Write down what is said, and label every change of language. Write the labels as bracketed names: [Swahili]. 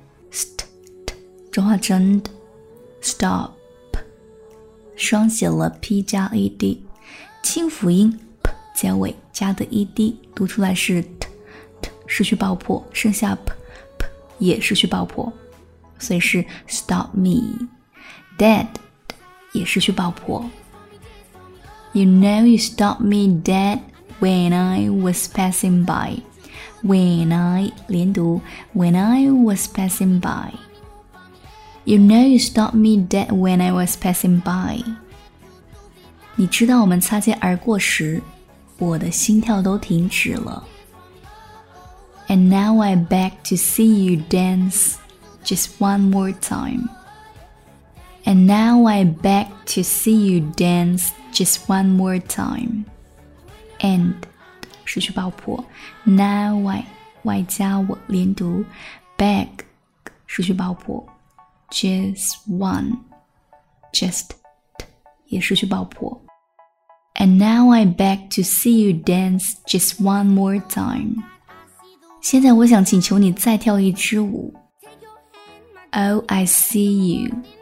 [Chinese] St, 中华真的 [English] Stop. [Chinese] 双写了 P 加 ED. 轻辅音 P 结尾加的 ED. 读出来是 T, 失去爆破。剩下 P 也失去爆破。所以是 [English] Stop me. Dead, [Chinese] 也失去爆破。 [English] You know you stopped me dead when I was passing by. When I, [Chinese] 连读, [English] when I was passing by. You know you stopped me dead when I was passing by. [Chinese] 你知道我们擦肩而过时,我的心跳都停止了。 [English] And now I beg to see you dance just one more time. And now I beg to see you dance just one more time. And, [Chinese] 失去爆破 [English] Now I [Chinese] 加我连读 [English] Beg, 失去爆破 Just, [Chinese] 也失去爆破 [English] And now I beg to see you dance just one more time. [Chinese] 现在我想请求你再跳一支舞 [English] Oh, I see you.